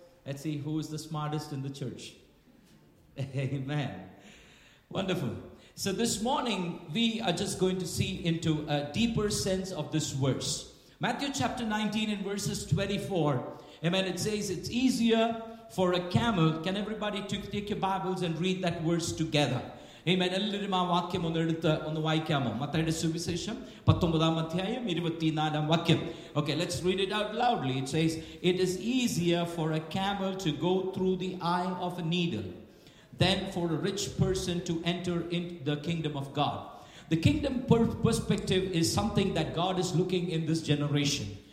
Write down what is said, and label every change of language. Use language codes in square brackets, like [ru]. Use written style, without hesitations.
[en] Let's see who is the smartest in the church. Amen. Wonderful. So this morning, we are just going to see into a deeper sense of this verse. Matthew chapter 19 and verses 24. Amen. It says, it's easier for a camel. Can everybody take your Bibles and read that verse together? Amen. [ml] എല്ലാവരും ആ വാക്യം ഒന്ന് എടുത്ത് ഒന്ന് വായിക്കാമോ? മത്തായിയുടെ സുവിശേഷം 19-ാം അധ്യായം 24-ാം വാക്യം. [en] Okay, let's read it out loudly. It says, it is easier for a camel to go through the eye of a needle than for a rich person to enter into the kingdom of God. The kingdom perspective is something that God is looking in this generation.